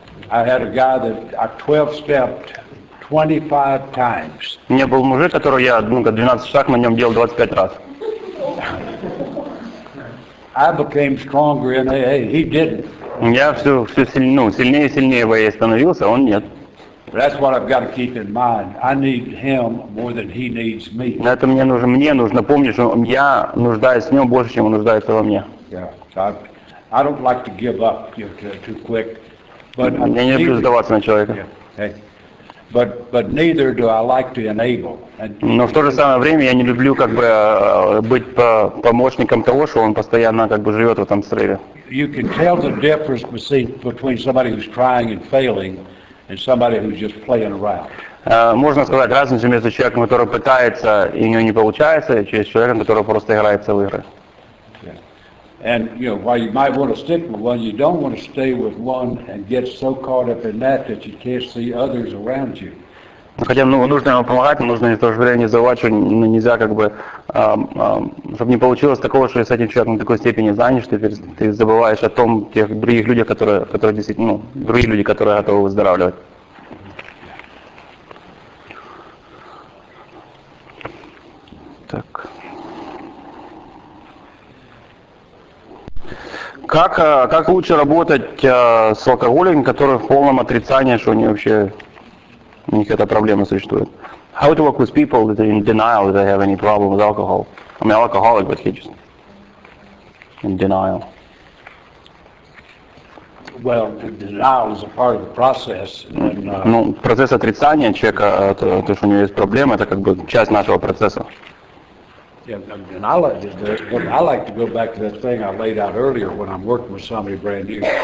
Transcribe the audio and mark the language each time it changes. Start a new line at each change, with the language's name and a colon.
English: I had a guy that I 12-stepped 25 times.
Russian: У меня был мужик, которого я 12 шагов на нем делал 25 раз.
English: I became stronger in AA. He didn't.
Russian: Я все сильнее в AA становился, а он нет.
English: That's what I've got to keep in mind. I need him more than he needs me.
Russian: На это мне нужно помнить, что я нуждаюсь в нем больше, чем он нуждается во мне.
English: Yeah. I don't like to give up too quick.
Russian: Я не люблю сдаваться на человека.
English: But neither do I like to enable.
Russian: Но в то же самое время я не люблю как бы быть помощником того, что он постоянно как бы живет в этом срыве.
English: You can tell the difference between somebody who's trying and failing and somebody who's just playing around.
Russian: Можно сказать разницу между человеком, который пытается и у него не получается, и человеком, который просто играется в игры.
English: And you know, while you might want to stick with one, you don't want to stay with one and get so caught up in that you can't see others around you.
Russian: Хотя нужно ему помогать, но нужно в то же время не забывать, что нельзя как бы, чтобы не получилось такого, что с этим человеком на такой степени занят, что ты забываешь о том тех других людях, которые действительно, другие люди, которые готовы выздоравливать. Так. Как лучше работать с алкоголиком, который в полном отрицании, что у них эта проблема существует?
English: How to work with people that are in denial that they have any problem with alcohol? I mean, alcoholic, but he just in denial. Well, denial is a part of the process.
Russian: Процесс отрицания человека, то, что у него есть проблема, это как бы часть нашего процесса.
English: I like to go back to that thing I laid out earlier when I'm working with somebody brand new.